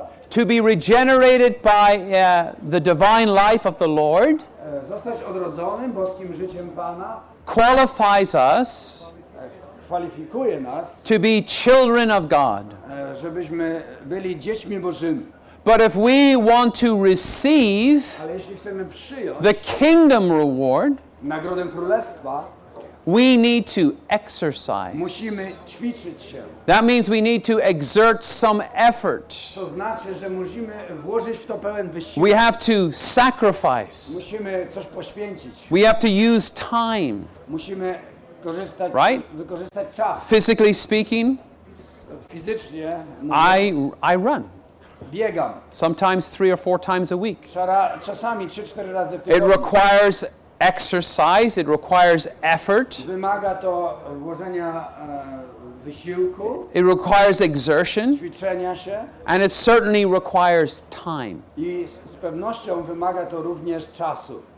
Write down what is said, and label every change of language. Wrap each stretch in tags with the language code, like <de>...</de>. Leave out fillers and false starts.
<en>To be regenerated by the divine life of the Lord.</en> <pl>Zostać odrodzonym boskim życiem Pana.</pl> <en>Qualifies us</en> <pl>kwalifikuje nas,</pl> <en>to be children of God.</en> <pl>Żebyśmy byli dziećmi Bożymi.</pl> <en>But if we want to receive</en> <pl>Ale jeśli chcemy przyjąć</pl> <en>the kingdom reward,</en> <pl>nagrodę królestwa,</pl> <en>we need to exercise.</en> <pl>Musimy ćwiczyć się.</pl> <en>That means we need to exert some effort.</en> <pl>To znaczy, że musimy włożyć w to pełen wysiłek.</pl> <en>We have to sacrifice.</en> <pl>Musimy coś poświęcić.</pl> <en>We have to use time.</en> <pl>Musimy korzystać,</pl> <en>right?</en> <pl>Wykorzystać czas.</pl> <en>Physically speaking,</en> <pl>fizycznie,</pl> <en>I run.</en> <pl>Biegam.</pl> <en>Sometimes 3 or 4 times a week.</en> <pl>Czasami 3-4 razy w tygodniu.</pl> <en>It requires exercise, it requires effort.</en> <pl>Wymaga to włożenia, wysiłku.</pl> <en>It requires exertion.</en> <pl>Ćwiczenia się.</pl> <en>And it certainly requires time.</en> <pl>I z pewnością wymaga to również czasu.</pl>